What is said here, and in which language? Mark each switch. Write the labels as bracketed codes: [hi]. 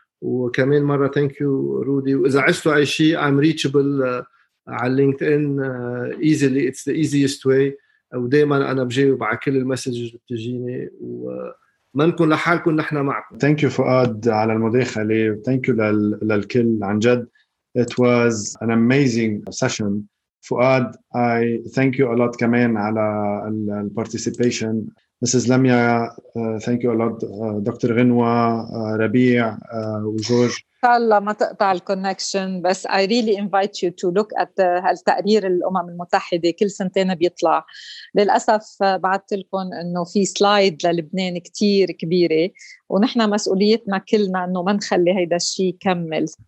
[ar] وكمان مرة [en] thank you رودي, [ar] وإذا عشتوا أي شيء [en] I'm reachable على LinkedIn easily, it's the easiest way. [ar] ودائما أنا بجاوب على كل المسج اللي بتجيني وما نكون لحالكم, نحن معكم. [en] thank you [ar] فؤاد على المداخلة, thank you للكل عن جد. [en] it was an amazing session. فؤاد I thank you a lot [ar] كمان على ال [en] participation. Mrs. Lamia, thank you a lot. Dr. Ghinwa, Rabia, وجورج. [ar] إن شاء الله ما تقطع الكونكشن, بس [en] I really invite you to look at [ar] التقرير الأمم المتحدة كل سنتين بيطلع. للأسف بعدت لكم أنه في سلايد للبنان كتير كبيرة, ونحن مسؤوليتنا كلنا أنه ما نخلي هيدا الشيء يكمل.